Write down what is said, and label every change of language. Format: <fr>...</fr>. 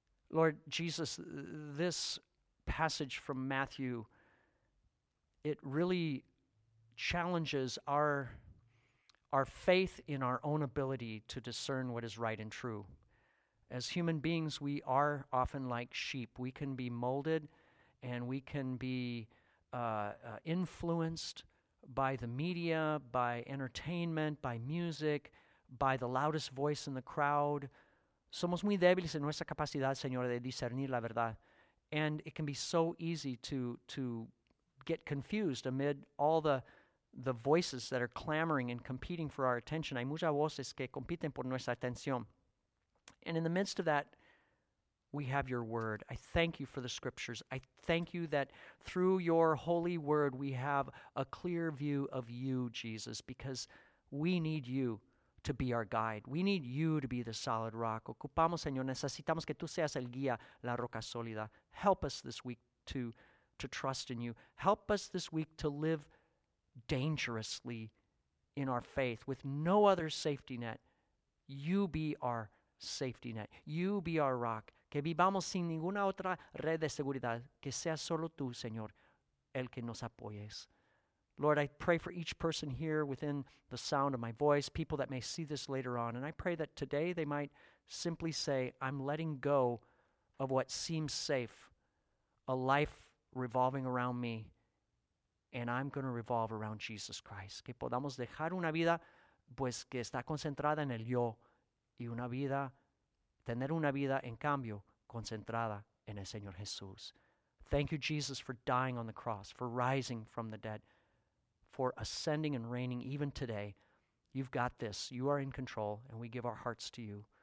<en>Lord Jesus, this passage from Matthew, it really challenges our faith in our own ability to discern what is right and true. As human beings, we are often like sheep. We can be molded and we can be influenced by the media, by entertainment, by music, by the loudest voice in the crowd.</en> <es>Somos muy débiles en nuestra capacidad, Señor, de discernir la verdad.</es> <en>And it can be so easy to get confused amid all the voices that are clamoring and competing for our attention.</en> <es>Hay muchas voces que compiten por nuestra atención.</es> <en>And in the midst of that, we have your word. I thank you for the scriptures. I thank you that through your holy word, we have a clear view of you, Jesus, because we need you to be our guide. We need you to be the solid rock.</en> <es>Ocupamos, Señor, necesitamos que tú seas el guía, la roca sólida.</es> <en>Help us this week to trust in you. Help us this week to live dangerously in our faith with no other safety net. You be our safety net. You be our rock.</en> <es>Que vivamos sin ninguna otra red de seguridad. Que sea solo tú, Señor, el que nos apoyes.</es> <en>Lord, I pray for each person here within the sound of my voice, people that may see this later on. And I pray that today they might simply say, I'm letting go of what seems safe, a life revolving around me, and I'm going to revolve around Jesus Christ.</en> <es>Que podamos dejar una vida, pues, que está concentrada en el yo, y una vida, tener una vida, en cambio, concentrada en el Señor Jesús.</es> <en>Thank you, Jesus, for dying on the cross, for rising from the dead, for ascending and reigning even today. You've got this. You are in control, and we give our hearts to you.</en>